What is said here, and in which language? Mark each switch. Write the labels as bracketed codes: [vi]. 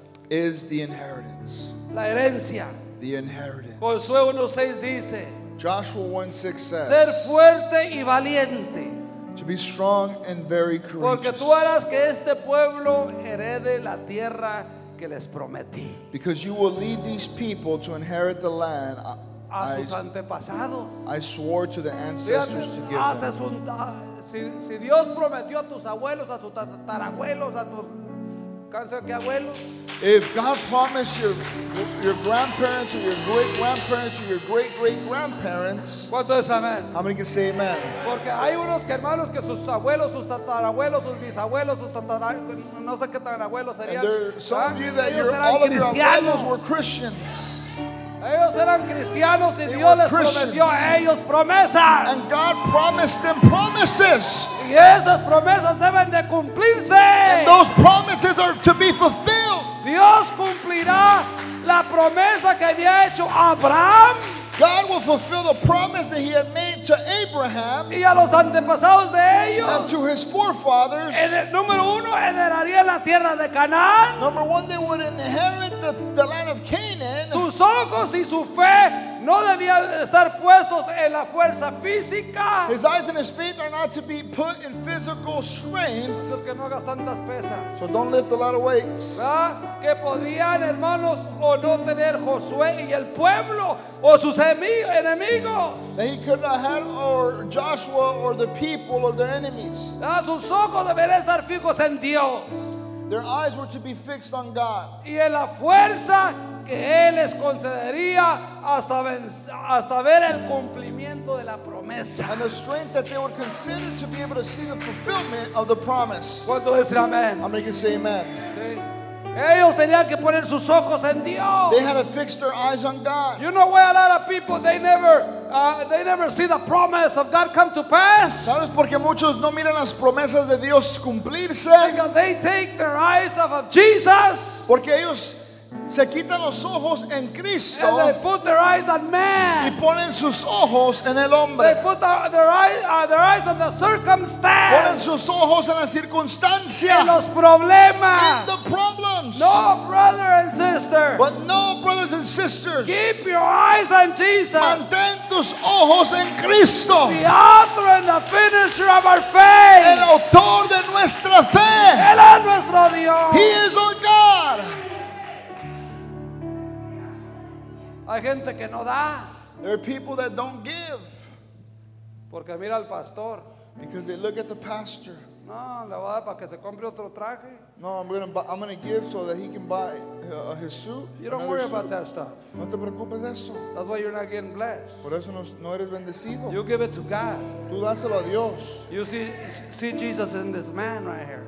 [en] Is the inheritance. [es] La herencia. [en] The inheritance. [es] Josué 1:6 dice. [en] Joshua 1:6 says. [es] Ser fuerte y valiente. [en] To be strong and very courageous. [es] Porque tú harás que este pueblo herede la tierra que les prometí. [en] Because you will lead these people to inherit the land. I swore to the ancestors to give them. [es] Si Dios prometió a tus abuelos, a tus tatarabuelos, a tus casa, qué abuelo. [en] If God promised your grandparents or your great grandparents or your great great grandparents, [es] ¿cuánto es amén? [en] How many can say amen? [es] Porque hay unos hermanos que sus abuelos, sus tatarabuelos, sus bisabuelos, sus tatarabuelos, no sé qué tan abuelos serían. [en] And there are some of you that your, all of your grandparents were Christians. [es] Ellos eran cristianos y Dios les prometió a ellos promesas. [en] And God promised them promises. [es] Y esas promesas deben de cumplirse. [en] And those promises are to be fulfilled. [es] Dios cumplirá la promesa que había hecho Abraham. [en] God will fulfill the promise that he had made to Abraham [es] y a los antepasados de ellos, [en] and to his forefathers. [es] Número uno, heredaría la tierra de Canaán. [en] Number one, they would inherit the land of Canaan. [es] Sus ojos y su fe no debían estar puestos en la fuerza física. [en] His eyes and his faith are not to be put in physical strength. [es] Es que no hagas tantas pesas. [en] So don't lift a lot of weights. [es] ¿Verdad? Que podían, hermanos, o no tener Josué y el pueblo o sus enemigos. [en] That he could not have or Joshua or the people or their enemies. [es] Sus ojos deberían estar fijos en Dios. [en] Their eyes were to be fixed on God. [es] Y en la fuerza que él les concedería hasta ver el cumplimiento de la promesa. [en] And the strength that they would consider to be able to see the fulfillment of the promise. [es] ¿Cuánto dicen amén? [en] I'm going to say amen. [es] Ellos tenían que poner sus ojos en Dios. [en] They had to fix their eyes on God. You know why a lot of people they never see the promise of God come to pass? [es] ¿Sabes por qué muchos no miran las promesas de Dios cumplirse? [en] Because they take their eyes off of Jesus. [es] Porque ellos se quitan los ojos en Cristo. [en] And they put their eyes on man. [es] Y ponen sus ojos en el hombre. [en] They put their eyes on the circumstance. [es] Ponen sus ojos en la circunstancia. En los problemas. [en] In the problems. No, brother and sister. But no, brothers and sisters. Keep your eyes on Jesus. [es] Mantén tus ojos en Cristo. [en] The author and the finisher of our faith. [es] El autor de nuestra fe. Él es nuestro Dios. [en] He is our God. [es] Hay gente que no da. [en] There are people that don't give. [es] Porque mira al pastor. [en] Because they look at the pastor. [es] No, le va a dar para que se compre otro traje. [en] No, I'm gonna give so that he can buy his suit. You don't worry suit. About that stuff. [es] No te preocupes eso. [en] That's why you're not getting blessed. [es] Por eso no eres bendecido. [en] You give it to God. [es] Tú dáselo a Dios. [en] You see Jesus in this man right here.